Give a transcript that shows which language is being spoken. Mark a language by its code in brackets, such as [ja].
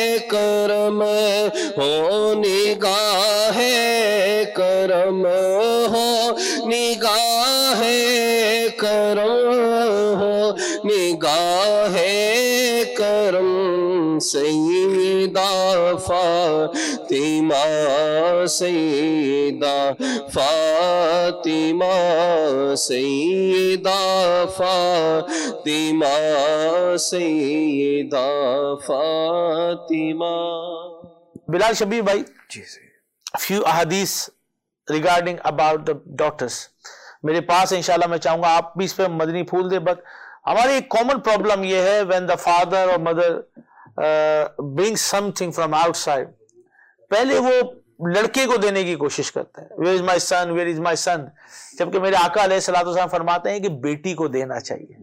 [ur] کرم ہو نگاہ کرم ہو نگاہ کرم ہو نگاہ کرم, سیدہ فاطمہ سیدہ فاطمہ سیدہ فاطمہ سیدہ فاطمہ. بلال شبیب بھائی جی فیو احادیث [en] regarding about the daughters. [ur] میرے پاس انشاءاللہ میں چاہوں گا آپ بھی اس پہ مدنی پھول دیں. بٹ ہماری ایک کامن پرابلم یہ ہے [en] when the father or mother bring something from outside, [ur] پہلے وہ لڑکے کو دینے کی کوشش کرتے ہیں, [en] where is my son, [ur] where is my son, جبکہ میرے آقا علیہ الصلوۃ والسلام فرماتے ہیں کہ بیٹی کو دینا چاہیے.